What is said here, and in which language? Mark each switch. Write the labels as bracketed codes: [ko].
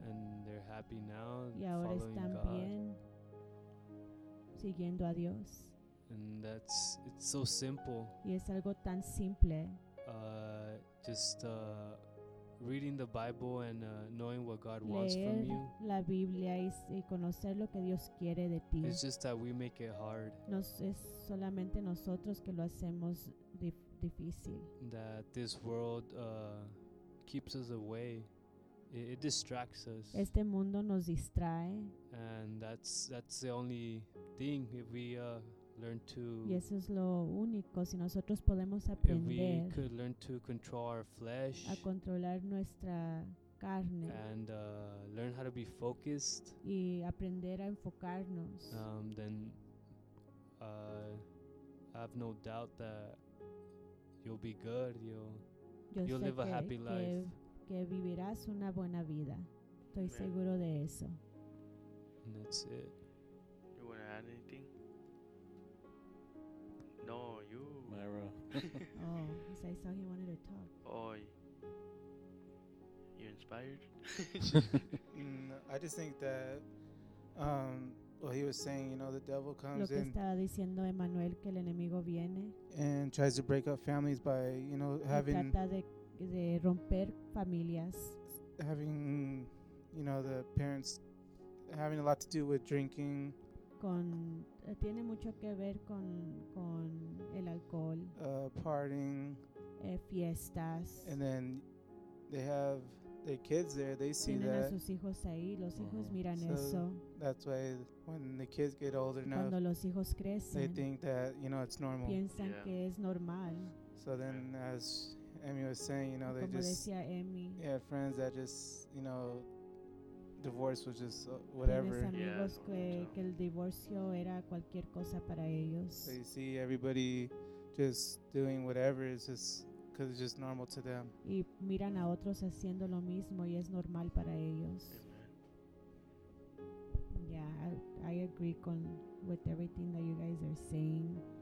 [en] And they're happy now. [es] Y ahora están [en] God. [es] Bien siguiendo a Dios. [en] And it's so simple. [es] Y es algo tan simple. [en] just reading the Bible and knowing what God wants from you. [es] La Biblia y conocer lo que Dios quiere de ti. [en] It's just that we make it hard. [es] Nos es solamente nosotros que lo hacemos difícil. [en] That this world keeps us away. It distracts us. [es] Este mundo nos distrae. [en] And that's the only thing if we learn to. [es] Y eso es lo único si nosotros podemos aprender. [en] If we could learn to control our flesh. [es] A controlar nuestra carne. [en] And learn how to be focused. [es] Y aprender a enfocarnos. [en] Then I have no doubt that you'll be good. You'll live a happy life. [es] Que vivirás una buena vida. Estoy Amen. Seguro de eso. [en] And that's it. You want to add anything? No, you. Myra. Oh, so I saw he wanted to talk. Oh, you're inspired? I just think that what he was saying, you know, the devil comes [es] lo que estaba diciendo Emmanuel, que el enemigo viene [en] and tries to break up families by, you know, having [es] de romper familias. [en] Having, you know, the parents having a lot to do with drinking. [es] Con tiene mucho que ver con el alcohol. [en] Partying. [es] Fiestas. [en] And then they have their kids there. They see [es] tienen [en] that. [es] Tienen a sus hijos ahí. Los hijos miran [en] so [es] eso. [en] That's why when the kids get older [es] cuando [en] enough, [es] los hijos crecen, [en] they think that, you know, it's normal. [es] Piensan yeah. que es normal. [en] So then as Emmy was saying, you know, they [es] como [en] just Emmy, yeah, friends that just, you know, divorce was just whatever. [es] Yeah, que el divorcio era cualquier cosa para ellos. [en] So you see everybody just doing whatever is just because it's just normal to them. [es] Y miran a otros haciendo lo mismo y es normal para ellos. [en] Amen. Yeah, I agree con with everything that you guys are saying.